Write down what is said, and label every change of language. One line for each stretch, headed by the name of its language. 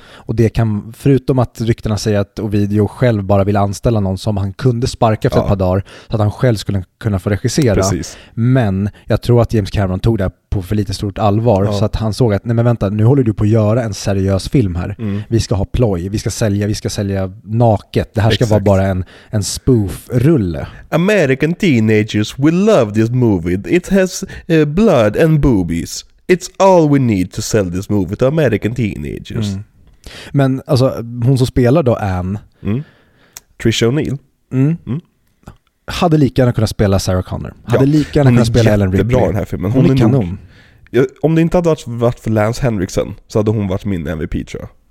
Swedish: Och det kan, förutom att ryktena säger att Ovidio själv bara vill anställa någon som han kunde sparka för ett par dagar så att han själv skulle kunna få regissera. Precis. Men jag tror att James Cameron tog det på för lite stort allvar så att han såg att, nej men vänta, nu håller du på att göra en seriös film här. Mm. Vi ska ha ploj, vi ska sälja naket. Det här ska vara bara en spoof-rulle.
English: American teenagers, we love this movie. It has blood and boobies. It's all we need to sell this movie to American teenagers. Mm.
Swedish: Men alltså, hon som spelar då Anne, Trish O'Neill, hade lika gärna kunnat spela Sarah Connor. Hade lika gärna kunnat spela Ellen Ripley. Bra den här filmen. Hon är kanon. Om det inte hade varit för Lance Henriksen så hade hon varit min MVP, tror jag.